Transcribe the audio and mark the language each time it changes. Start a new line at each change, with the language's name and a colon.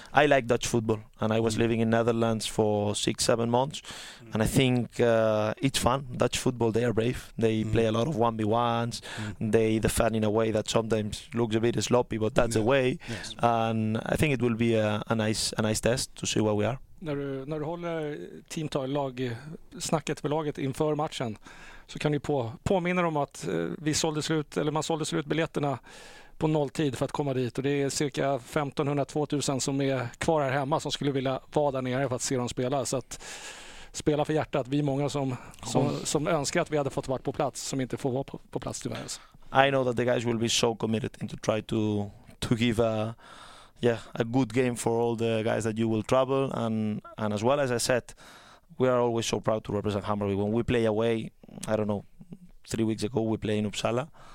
English: I like Dutch football, and I was living in Netherlands for 6-7 months, and I think it's fun. Dutch football, they are brave. They play a lot of 1v1s. They defend in a way that sometimes looks a bit sloppy, but that's the way. Yes. And I think it will be a nice test to see where we are.
Swedish: När du håller teamtalagsnacket med laget inför matchen, så kan du påminna dem att man sålde slut biljetterna på nolltid för att komma dit, och det är cirka 1500-2000 som är kvar här hemma som skulle vilja vara där nere för att se dem spela. Så att spela för hjärtat, vi är många som önskar att vi hade fått vara på plats, som inte får vara på plats tyvärr.
English: I know that the guys will be so committed to try to give a good game for all the guys that you will travel, and as well, as I said, we are always so proud to represent Hammarby. When we play away, I don't know, 3 weeks ago we played in Uppsala.